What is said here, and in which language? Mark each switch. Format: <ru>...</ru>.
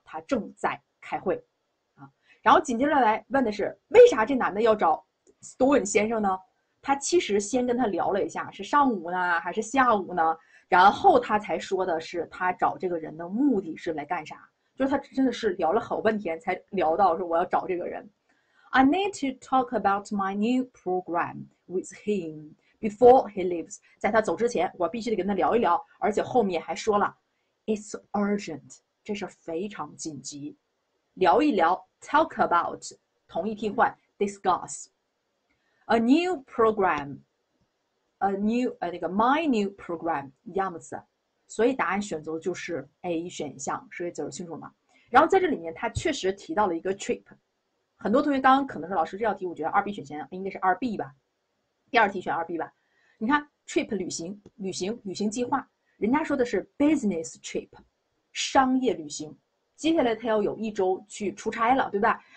<zh>他正在开会啊。然后紧接着来问的是为啥这男的要找 Stone 先生呢？他其实先跟他聊了一下是上午呢还是下午呢，然后他才说的是他找这个人的目的是来干啥，就是他真的是聊了好半天才聊到说我要找这个人。</zh> <en>I need to talk about my new program with him before he leaves，</en> <zh>在他走之前我必须得跟他聊一聊，而且后面还说了</zh> <en>It's urgent，</en> <zh>这是非常紧急。聊一聊 talk about 同义替换 discussA new program, a new, 那个</zh> <en>my new program,</en> <zh>一样的词，所以答案选择就是 A 选项，所以解释清楚吗？然后在这里面他确实提到了一个 trip， 很多同学刚刚可能说老师这道题我觉得 2B 选项应该是 2B 吧，第二题选 2B 吧，你看 trip 旅行计划，人家说的是</zh> <en>business trip，</en> <zh>商业旅行，接下来他要有一周去出差了，对吧？</zh>